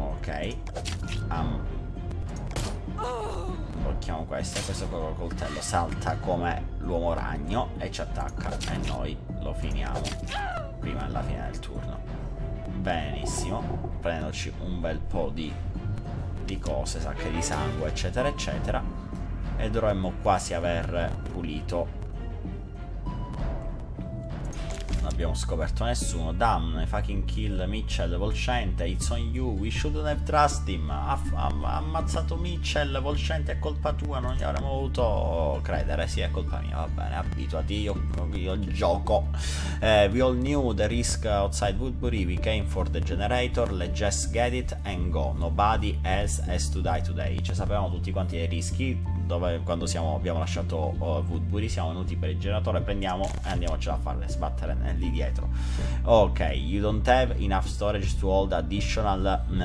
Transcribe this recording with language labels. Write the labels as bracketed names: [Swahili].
[Italian] Ok, blocchiamo questo qua col coltello, salta come l'uomo ragno e ci attacca e noi lo finiamo prima della fine del turno. Benissimo, prendendoci un bel po' di cose, sacche di sangue eccetera eccetera, e dovremmo quasi aver pulito. Abbiamo scoperto nessuno. [English] Damn, fucking kill Mitchell, Volscente, it's on you, we shouldn't have trust him. [Italian] Ha ammazzato Mitchell, Volscente, è colpa tua, non gli avremmo voluto credere. Sì, è colpa mia, va bene, abituati, io gioco. [English] We all knew the risk outside Woodbury, we came for the generator, let's just get it and go, nobody else has to die today. [Italian] Cioè, sapevamo tutti quanti i rischi dove, quando siamo, abbiamo lasciato Woodbury, siamo venuti per il generatore, prendiamo e andiamocela a farle sbattere lì dietro. [English] Ok, you don't have enough storage to hold additional